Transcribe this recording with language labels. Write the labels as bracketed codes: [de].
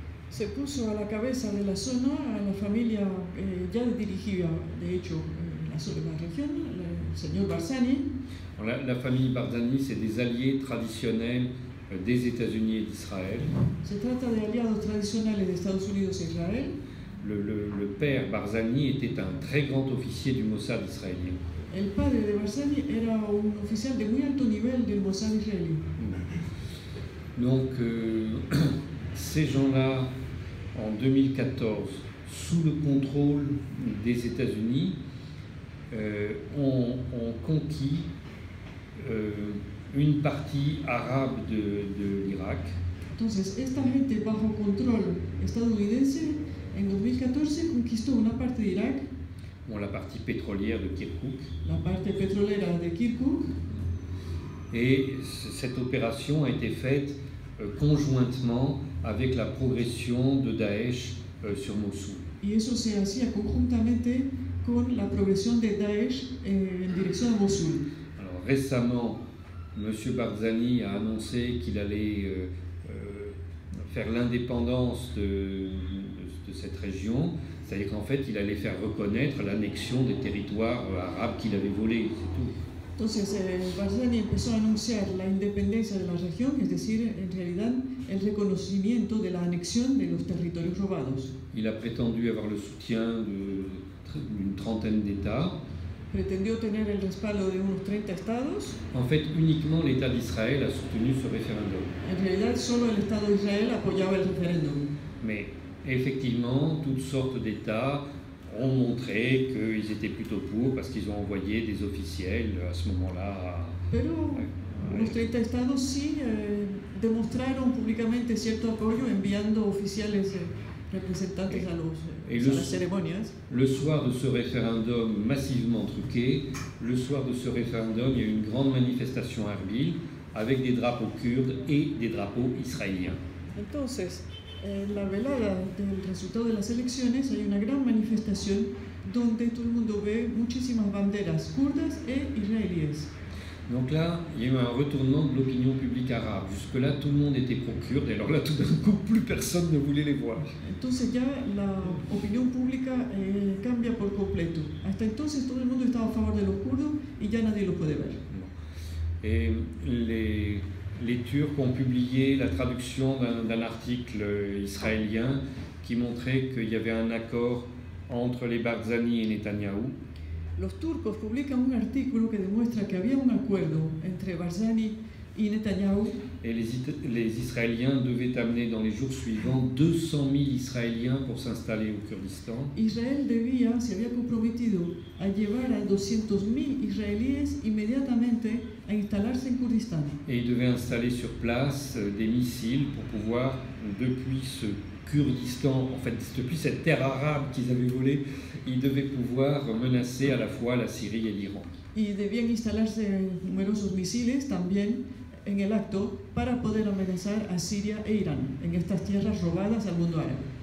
[es] Se puso a la cabeza de la zona a la familia ya dirigía, de hecho, la región, el señor Barzani. [fr] La famille Barzani, c'est des alliés traditionnels des États-Unis et d'Israël. [es] Se trata de aliados tradicionales de Estados Unidos e Israel. [fr] Le père Barzani était un très grand officier du Mossad israélien. [es] El padre de Barzani era un oficial de muy alto nivel del Mossad israelí. [fr] Donc ces gens-là, en 2014, sous le contrôle des États-Unis, ont conquis une partie arabe de l'Irak. [es] Entonces, esta gente bajo control estadounidense, en 2014, conquistó una parte de Irak. [fr] Bon, la partie pétrolière de Kirkuk. [es] La parte petrolera de Kirkuk. [fr] Et cette opération a été faite conjointement avec la progression de Daesh sur Mossoul. [es] Y eso se hacía conjuntamente con la progresión de Daesh en dirección a Mossoul. [fr] Alors récemment, Monsieur Barzani a annoncé qu'il allait faire l'indépendance de cette région, c'est-à-dire qu'en fait, il allait faire reconnaître l'annexion des territoires arabes qu'il avait volés, c'est tout. [es] Entonces, Barzani empezó a anunciar la independencia de la región, es decir, en realidad, el reconocimiento de la anexión de los territorios robados. [fr] Il a prétendu avoir le soutien d'une trentaine d'États. [es] Pretendió tener el respaldo de unos 30 estados. [fr] En fait, uniquement l'État d'Israël a soutenu ce référendum. [es] En realidad, solo el Estado de Israel apoyaba el referéndum. [fr] Mais effectivement, toutes sortes d'États ont montré qu'ils étaient plutôt pour parce qu'ils ont envoyé des officiels à ce moment-là. [es] Los 30 estados sí demostraron públicamente cierto apoyo enviando oficiales representantes a los a las ceremonias. [fr] Le soir de ce référendum massivement truqué, le soir de ce référendum, il y a eu une grande manifestation à Erbil avec des drapeaux kurdes et des drapeaux israéliens. [es] Entonces, la velada del resultado de las elecciones, hay una gran manifestación donde todo el mundo ve muchísimas banderas kurdas e israelíes. [fr] Donc là, il y a eu un retournement de l'opinion publique arabe. Jusque-là, tout le monde était pro-kurde, alors là, tout d'un coup, plus personne ne voulait les voir. [es] Entonces, ya la opinión pública cambia por completo. Hasta entonces, todo el mundo estaba a favor de los kurdos y ya nadie los puede ver. [fr] Et les Turcs ont publié la traduction d'un article israélien qui montrait qu'il y avait un accord entre les Barzani et Netanyahou. [es] Los turcos publican un artículo que demuestra que había un acuerdo entre Barzani y Netanyahu. [fr] Et les Israéliens devaient amener dans les jours suivants 200 000 Israéliens pour s'installer au Kurdistan. [es] Israel debía, se había comprometido a llevar a 200 000 israelíes inmediatamente a instalarse en Kurdistán. [fr] Et ils devaient installer sur place des missiles pour pouvoir, depuis ce Kurdistan, en fait, depuis cette terre arabe qu'ils avaient volée, ils devaient pouvoir menacer à la fois la Syrie et l'Iran. Ils devaient installer de nombreux missiles aussi en l'acte pour pouvoir menacer la Syrie et l'Iran, en ces terres robées au monde arabe.